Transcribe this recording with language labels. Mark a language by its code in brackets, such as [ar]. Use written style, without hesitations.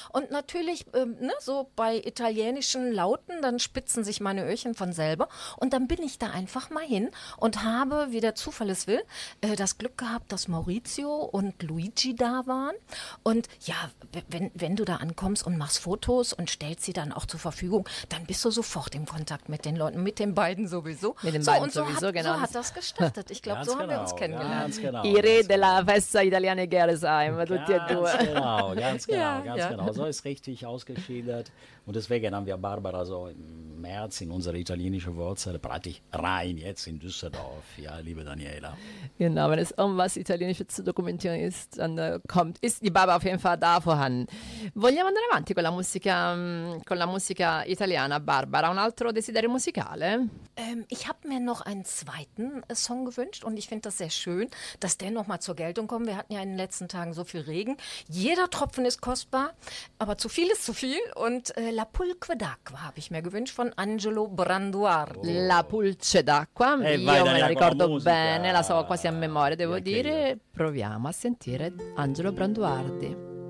[de] Und natürlich, so bei italienischen Lauten, dann spitzen sich meine Öhrchen von selber und dann bin ich da einfach mal hin und habe, wie der Zufall es will, das Glück gehabt, dass Maurizio und Luigi da waren. Und ja, wenn du da ankommst und machst Fotos und stellst sie dann auch zur Verfügung, dann bist du sofort im Kontakt mit den Leuten, mit den beiden sowieso. Mit den beiden sowieso, genau. So hat das gestartet. Ich glaube, so haben wir uns kennengelernt. Ganz genau. [it] Ire della festa italiana Gerresheim. [de] Ganz genau, ganz genau. So ist richtig ausgeschildert. Und deswegen haben wir Barbara so im März in unsere italienische Wurzel, praktisch rein jetzt in Düsseldorf, ja, liebe Daniela. Genau, wenn es um was Italienisches zu dokumentieren ist, dann kommt, ist die Barbara auf jeden Fall da vorhanden. [it] Vogliamo andare avanti con la musica italiana, Barbara, un altro desiderio musicale? [de] Ich habe mir noch einen zweiten Song gewünscht und ich finde das sehr schön, dass der nochmal zur Geltung kommt. Wir hatten ja in den letzten Tagen so viel Regen. Jeder Tropfen ist kostbar, aber zu viel ist zu viel und La Pulque d'Acqua habe ich mir gewünscht von Angelo Branduardo. Oh. [it] La Pulce d'Acqua, io me la ricordo bene, la so quasi a memoria, devo dire. Proviamo a sentire Angelo Branduardi.